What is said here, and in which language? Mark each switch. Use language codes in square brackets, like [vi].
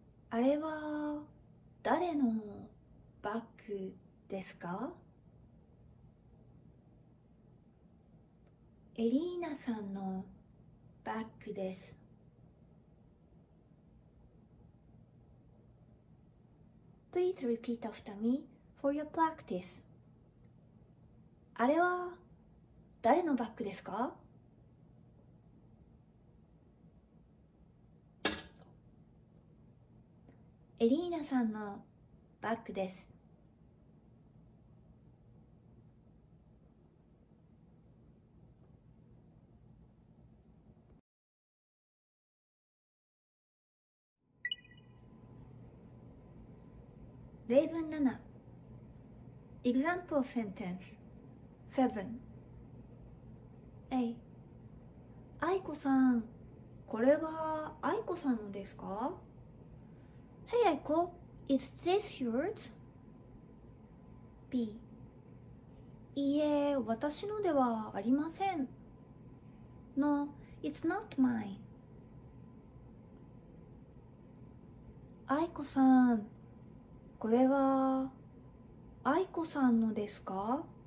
[ja] あれは誰のバッグですか? エリーナさんのバッグです。 [en] Please repeat after me for your practice. [ja] あれは誰のバッグですか? エリーナさんのバッグです。 [en] 例文7 Example sentence 7 A. [ja] 愛子さん、これは愛子さんのですか? [en] Hey, 愛子、is this yours? B. [ja] いいえ、私のではありません。 [en] No, it's not mine. [ja] 愛子さん、これは愛子さんのですか?